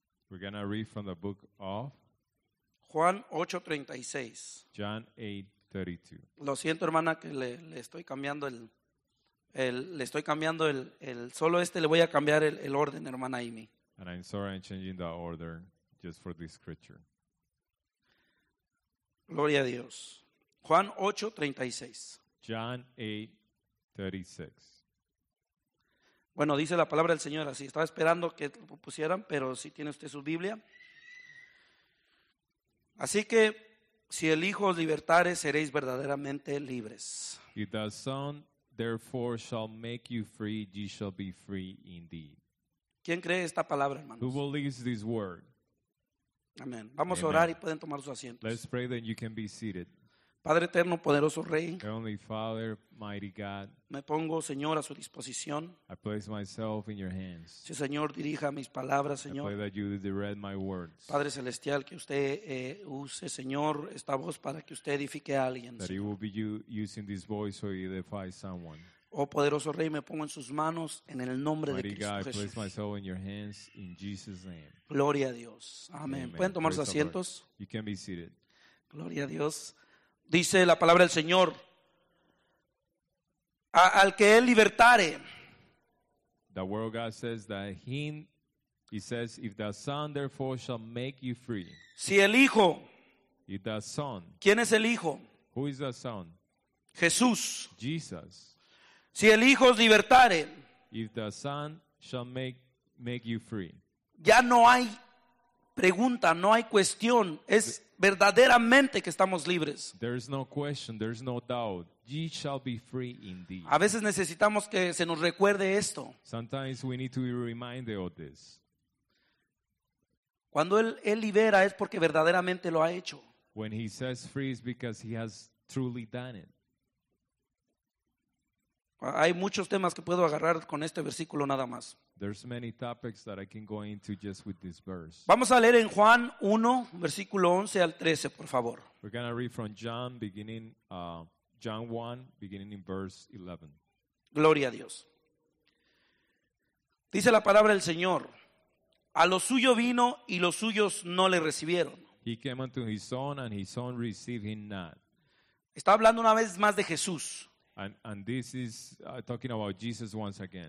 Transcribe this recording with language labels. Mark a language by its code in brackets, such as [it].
[en] We're going to read from the book of [es] Juan 8:36. [en] John 8:32. [es] Lo siento, hermana, que le estoy cambiando el solo este le voy a cambiar el orden, hermana Amy. [en] And I'm sorry I'm changing the order just for this scripture. [es] Gloria a Dios. Juan 8:36. [en] John 8:36. [es] Bueno, dice la palabra del Señor así. Estaba esperando que lo pusieran, pero si tiene usted su Biblia. Así que, si el Hijo os libertare, seréis verdaderamente libres. [en] If the Son, therefore, shall make you free, ye shall be free indeed. [es] ¿Quién cree esta palabra, hermanos? [en] Who believes this word? [es] Amén. Vamos Amen. A orar y pueden tomar sus asientos. [en] Let's pray that you can be seated. [es] Padre eterno, poderoso Rey. [en] Heavenly Father, mighty God. [es] Me pongo, Señor, a su disposición. [en] I place myself in your hands. [es] Si, Señor, dirija mis palabras, Señor. [en] I pray that you direct my words. [es] Padre celestial, que usted use, Señor, esta voz para que usted edifique a alguien. [en] That He will be using this voice to edify someone. [es] Oh, poderoso Rey, me pongo en sus manos en el nombre [en] mighty [es] de Cristo [en] God, [es] Jesús. [en] I place myself in your hands in Jesus' name. [es] Gloria a Dios. Amén. Pueden tomar sus asientos. [en] You can be seated. [es] Gloria a Dios. Dice la palabra del Señor, al que él libertare. [en] The word of God says that he says, if the Son therefore shall make you free. [es] Si el Hijo. [en] If the Son. [es] ¿Quién es el Hijo? [en] Who is the Son? [es] Jesús. [en] Jesus. [es] Si el Hijo os libertare. [en] If the Son shall make you free. [es] Ya no hay pregunta, no hay cuestión, es verdaderamente que estamos libres. [en] There is no question, there is no doubt. Ye shall be free indeed. [es] A veces necesitamos que se nos recuerde esto. [en] Sometimes we need to be reminded of this. [es] Cuando él libera es porque verdaderamente lo ha hecho. [en] When he says free is because he has truly done it. [es] Hay muchos temas que puedo agarrar con este versículo nada más. [en] There's many topics that I can go into just with this verse. [es] Vamos a leer en Juan 1, versículo 11 al 13, por favor. [en] We're going to read from John 1, beginning in verse 11. [es] Gloria a Dios. Dice la palabra del Señor, a lo suyo vino y los suyos no le recibieron. [en] He came unto his own and his own received him not. [es] Está hablando una vez más de Jesús. [en] And this is talking about Jesus once again.